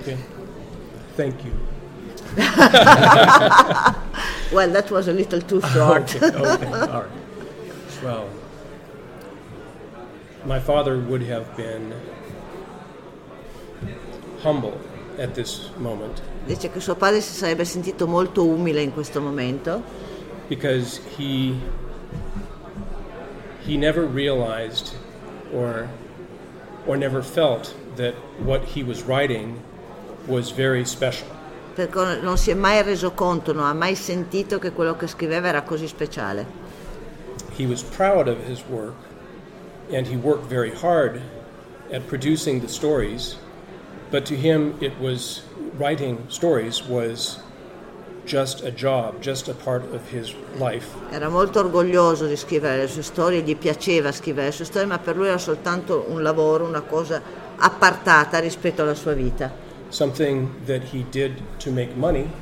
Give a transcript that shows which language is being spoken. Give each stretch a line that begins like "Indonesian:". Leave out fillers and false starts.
English: Okay. Thank you. Well, that was a little too short. Okay, all right. Well, my father would have been humble at this moment.
Italian: Dice che suo padre si sarebbe sentito molto umile in questo momento.
English: Because he never realized or never felt that what he was writing was very special.
Italian: Perché non si è mai reso conto, non ha mai sentito che quello che scriveva era così speciale.
English: He was proud of his work, and he worked very hard at producing the stories, but to him it was, writing stories was just a job, just a part of his life.
Italian: Era molto orgoglioso di scrivere le sue storie, gli piaceva scrivere le sue storie, ma per lui era soltanto un lavoro, una cosa appartata rispetto alla sua vita.
English: Something that he did to make money.